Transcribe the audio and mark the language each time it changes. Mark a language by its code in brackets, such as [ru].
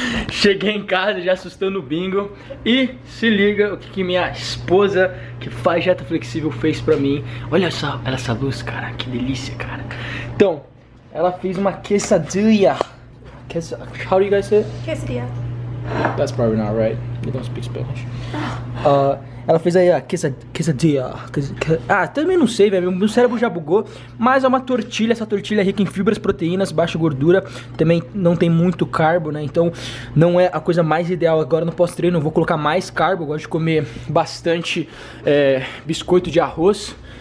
[pt] Cheguei em casa já assustando o bingo e se liga o que minha esposa, que faz dieta flexível, fez pra mim. Olha só essa luz, cara, que delícia, cara. Então, ela fez uma quesadilla. [en] How do you guys say it? Quesadilla. That's probably not right. You don't speak Spanish. [pt] Ela fez aí, ó, quesadilla. Ah, também não sei, velho, meu cérebro já bugou. Mas é uma tortilha, essa tortilha é rica em fibras, proteínas, baixa gordura. Também não tem muito carbo, né? Então não é a coisa mais ideal. Agora no pós-treino eu vou colocar mais carbo. Eu gosto de comer bastante biscoito de arroz.